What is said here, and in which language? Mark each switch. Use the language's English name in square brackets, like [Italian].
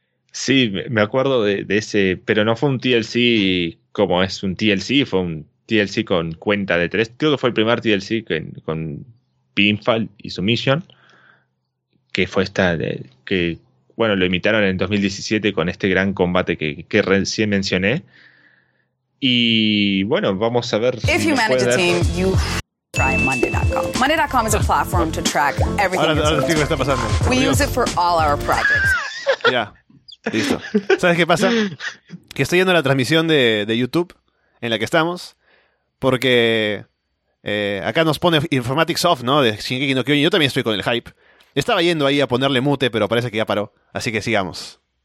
[Spanish] Sí, me acuerdo de ese, pero no fue un TLC como es un TLC, fue un TLC con cuenta de 3. Creo que fue el primer TLC con Pinfall y Submission. Que fue esta. Bueno, lo imitaron en 2017 con este gran combate que recién mencioné. Y bueno, vamos a ver. [English] If you manage a team, you try Monday.com. Monday.com is a platform to track everything. [Spanish] Ahora sí, ¿qué está pasando? [English] We use it for all our projects. [Spanish] Ya. Listo. ¿Sabes qué pasa? Que estoy yendo a la transmisión de YouTube en la que estamos. Porque acá nos pone Informatics Off, ¿no? De Shingeki no Kyojin. Yo también estoy con el hype. Estaba yendo ahí a ponerle mute, pero parece que ya paró. Así que sigamos.